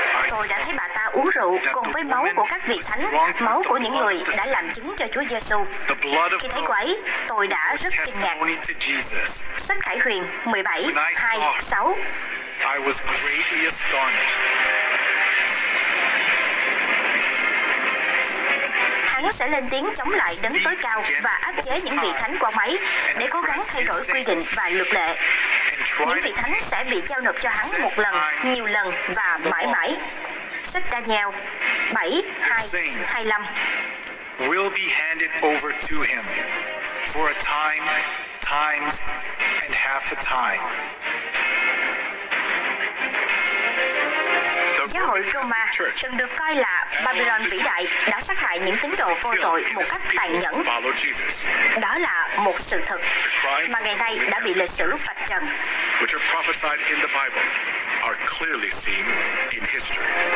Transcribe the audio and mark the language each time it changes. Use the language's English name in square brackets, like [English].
[Vietnamese] Tôi đã thấy bà ta uống rượu cùng với máu của các vị thánh, máu của những người đã làm chứng cho Chúa Giê-xu. Khi thấy cô ấy, tôi đã rất kinh ngạc. Sách Khải Huyền 17:2-6. [English] I was greatly astonished. [Vietnamese] Hắn sẽ lên tiếng chống lại đấng tối cao và áp chế những vị thánh của ông ấy để cố gắng thay đổi quy định và luật lệ. Những vị thánh sẽ bị giao nộp cho hắn một lần, nhiều lần và mãi mãi. Sách Daniel 7:2-5. [English] Will be handed over to him for a time, times, and half a time. [Vietnamese] Giáo hội Roma, từng được coi là Babylon vĩ đại, đã sát hại những tín đồ vô tội một cách tàn nhẫn. Đó là một sự thật mà ngày nay đã bị lịch sử vạch trần. [English] Which are prophesied in the Bible are clearly seen in history.